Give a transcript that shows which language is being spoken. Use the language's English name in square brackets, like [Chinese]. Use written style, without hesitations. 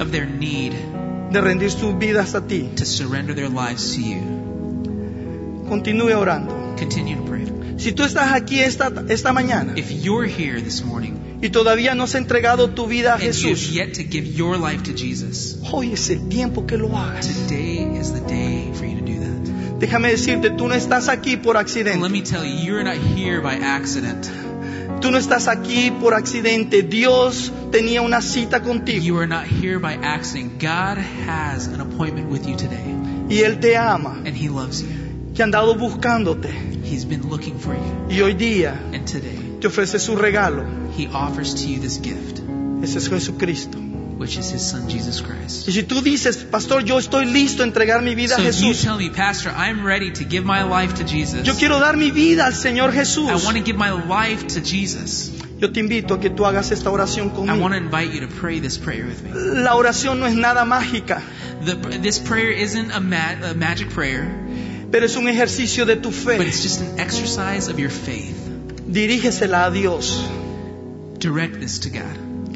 [English] of their need, [Spanish] de rendir sus vidas a ti, [English] to surrender their lives to you. [Spanish] Continúe orando. [English] Continue to pray. [Spanish] Si tú estás aquí esta mañana, [English] if you're here this morning, [Spanish] y todavía no has entregado tu vida a Jesús, [English] yet to give your life to Jesus, [Spanish] hoy es el tiempo que lo hagas. [English] Today is the day for you to do that. [Spanish] Déjame decirte, tú no estás aquí por accidente. [English] Let me tell you, you're not here by accident. [Spanish] Tú no estás aquí por accidente. Dios tenía una cita contigo. [English] You are not here by accident. God has an appointment with you today. [Spanish] Y Él te ama. [English] And He loves you. [Spanish] Que han dado buscándote. [English] He's been looking for you. [Spanish] Y hoy día, [English] and today, [Spanish] te ofrece su regalo. [English] He offers to you this gift. [Spanish] Ese es Jesucristo. [English] Which is His Son, Jesus Christ. [Spanish] Y si tú dices, Pastor, yo estoy listo a entregar mi vida [English] so [Spanish] a Jesús. [English] You tell me, Pastor, I'm ready to give my life to Jesus. [Spanish] Yo quiero dar mi vida al Señor Jesús. [English] I want to give my life to Jesus. [Spanish] Yo te invito a que tú hagas esta oración conmigo. [English] I want to invite you to pray this prayer with me. [Spanish] La oración no es nada mágica. [English] This prayer isn't a magic prayer. [Spanish] Pero es un ejercicio de tu fe. [English] But it's just an exercise of your faith. [Spanish] Dirígesela a Dios. [English] Direct this to God.